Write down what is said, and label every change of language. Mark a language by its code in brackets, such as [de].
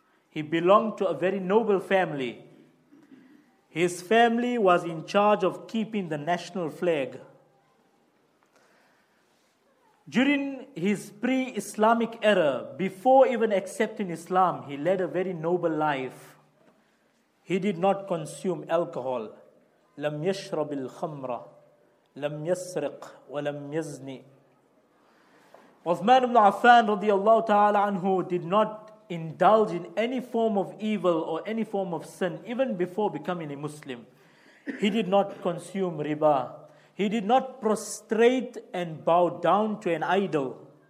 [en] He belonged to a very noble family. His family was in charge of keeping the national flag. During his pre-Islamic era, before even accepting Islam, he led a very noble life. He did not consume alcohol. [ar] لم يشرب الخمر لم يسرق ولم يزني. [en] Uthman ibn Affan radiyallahu ta'ala anhu did not indulge in any form of evil or any form of sin even before becoming a Muslim. He did not consume riba. He did not prostrate and bow down to an idol.